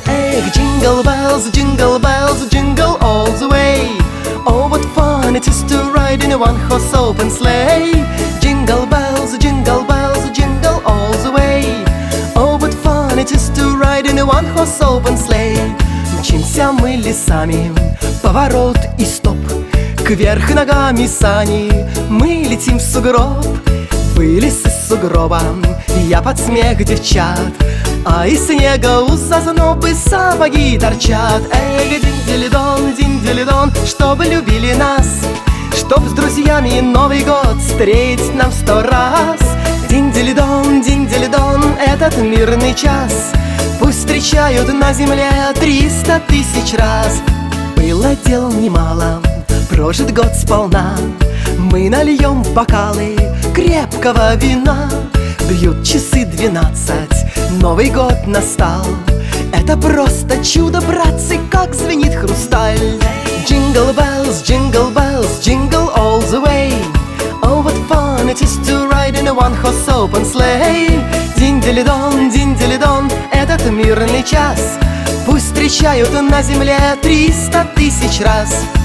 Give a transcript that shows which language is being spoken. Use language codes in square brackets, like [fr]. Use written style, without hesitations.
[en] Egg, jingle bells, jingle bells, jingle all the way. Oh, what fun it is to ride in a one-horse open sleigh. Jingle bells, jingle bells, jingle all the way. Oh, what fun it is to ride in a one-horse open sleigh. [ru] Мчимся мы лесами, поворот и стоп. Кверх ногами сани, мы летим в сугроб. Вылез из сугроба, я под смех девчат. А из снега у зазнобы сапоги торчат. Эй, динь-дили-дон, динь-дили-дон, чтоб любили нас, чтоб с друзьями Новый год встретить нам сто раз. Динь-дили-дон, динь-дили-дон, этот мирный час пусть встречают на земле 300 000 раз. Было дел немало, прожит год сполна. Мы нальем бокалы крепкого вина. Бьют часы 12, Новый год настал. Это просто чудо, братцы, как звенит хрусталь. [en] Jingle bells, jingle bells, jingle all the way. Oh, what fun it is to ride in a one-horse open sleigh. [ru] Динь-дили-дон, динь-дили-дон, этот мирный час пусть встречают на земле 300 000 раз.